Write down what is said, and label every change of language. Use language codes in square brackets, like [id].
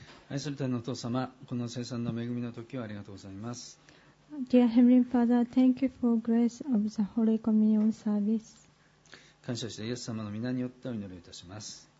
[ja] 愛する天のお父様、この聖餐の恵みの時をありがとうございます。 [en] Dear Heavenly Father, thank you for grace of the Holy Communion service. [ja] 感謝してイエス様の御名によってお祈りいたします。